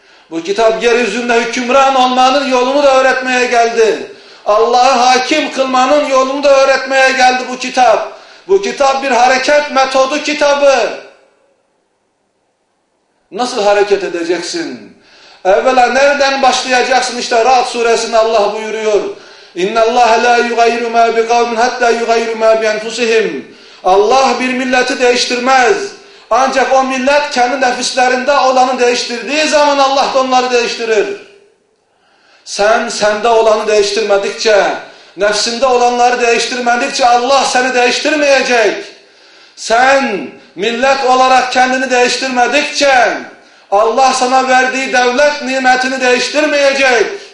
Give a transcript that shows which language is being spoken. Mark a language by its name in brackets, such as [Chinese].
[Turkish] Bu kitap yeryüzünde hükümran olmanın yolunu da öğretmeye geldi. Allah'ı hakim kılmanın yolunu da öğretmeye geldi bu kitap. Bu kitap bir hareket metodu kitabı. Nasıl hareket edeceksin? Evvela nereden başlayacaksın? İşte Ra'd suresinde Allah buyuruyor. [Arabic] اِنَّ اللّٰهَ لَا يُغَيْرُ مَا بِقَوْمٍ حَتَّى يُغَيْرُ مَا بِيَنْفُسِهِمْ [Turkish] Allah bir milleti değiştirmez. Ancak o millet kendi nefislerinde olanı değiştirdiği zaman Allah da onları değiştirir. Sen sende olanı değiştirmedikçe, nefsinde olanları değiştirmedikçe Allah seni değiştirmeyecek. Sen millet olarak kendini değiştirmedikçe Allah sana verdiği devlet nimetini değiştirmeyecek.